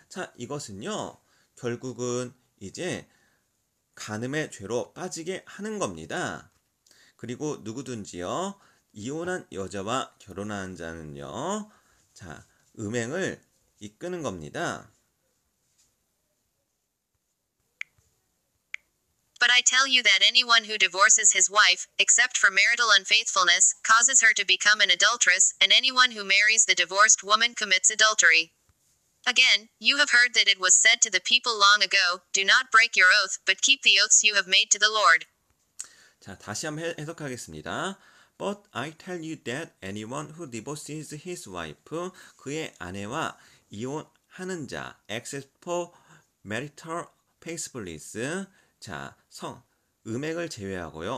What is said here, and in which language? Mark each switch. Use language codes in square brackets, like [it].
[ko] 자, 이것은요, 결국은 이제 간음의 죄로 빠지게 하는 겁니다. 그리고 누구든지요, 이혼한 여자와 결혼한 자는요, 자, 음행을 이끄는 겁니다. [en] But I tell you that anyone who divorces his wife, except for marital unfaithfulness, causes her to become an adulteress, and anyone who marries the divorced woman commits adultery. Again, you have heard that it was said to the people long ago, do not break your oath, but keep the oaths you have made to the Lord. [ko] 자, 다시 한번 해석하겠습니다. [en] But I tell you that anyone who divorces his wife, [ko] 그의 아내와 이혼하는 자, [en] except for marital faithfulness, [ko] 자, 음행을 제외하고요.